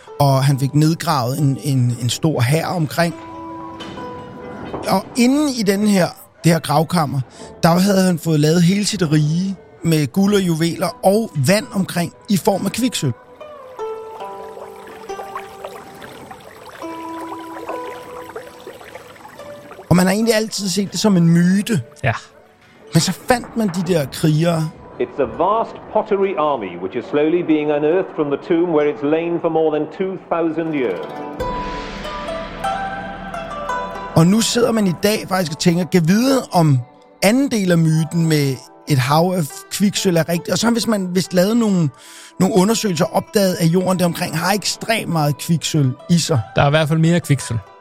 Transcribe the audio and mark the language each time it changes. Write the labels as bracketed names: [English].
[Danish] Og han fik nedgravet en stor hær omkring. Og inden i den her, det her gravkammer, der havde han fået lavet hele sit rige med guld og juveler og vand omkring i form af kviksøl. Og man har egentlig altid set det som en myte. Ja. Men så fandt man de der krigere. [English] It's a vast pottery army which is slowly being unearthed from the tomb where it's lain for more than 2000 years. [Danish] Og nu sidder man i dag faktisk og tænker, kan vide om anden del af myten med et hav af kviksøl er rigtigt. Og så hvis man lavede nogle undersøgelser opdaget af jorden der omkring har ekstremt meget kviksøl i sig. Der er i hvert fald mere kviksøl.